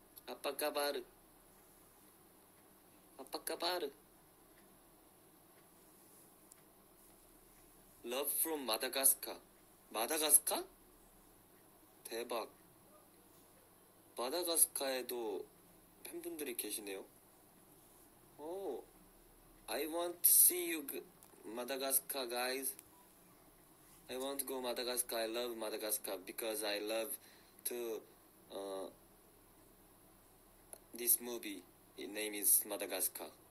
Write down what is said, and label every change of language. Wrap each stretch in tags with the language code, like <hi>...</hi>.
<ms>아빠까바르</ms> <en>Love from Madagascar.</en> <ko>마다가스카? 대박. 마다가스카에도 팬분들이 계시네요. 오,</ko> <en>I want to see you Madagascar guys. I want to go Madagascar. I love Madagascar because I love to This movie, its name is Madagascar.</en>